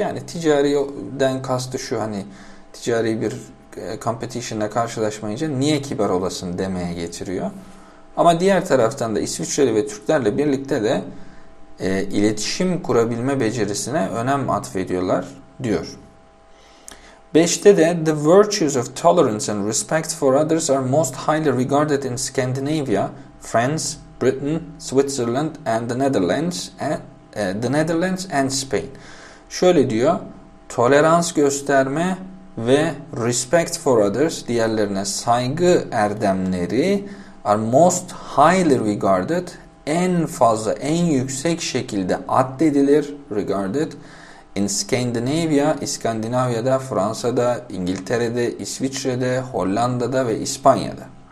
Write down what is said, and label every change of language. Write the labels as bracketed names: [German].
[Turkish] Yani ticariden kastı şu, hani ticari bir competition'la karşılaşmayınca niye kibar olasın demeye getiriyor. Ama diğer taraftan da İsviçreli ve Türklerle birlikte de iletişim kurabilme becerisine önem atfediyorlar diyor. Beşte de [English] the virtues of tolerance and respect for others are most highly regarded in Scandinavia, France, Britain, Switzerland and the Netherlands and Spain. [Turkish] Şöyle diyor, tolerans gösterme ve [English] respect for others, [Turkish] diğerlerine saygı erdemleri, [English] are most highly regarded, [Turkish] en fazla, en yüksek şekilde addedilir, [English] regarded in Scandinavia, [Turkish] İskandinavya'da, Fransa'da, İngiltere'de, İsviçre'de, Hollanda'da ve İspanya'da.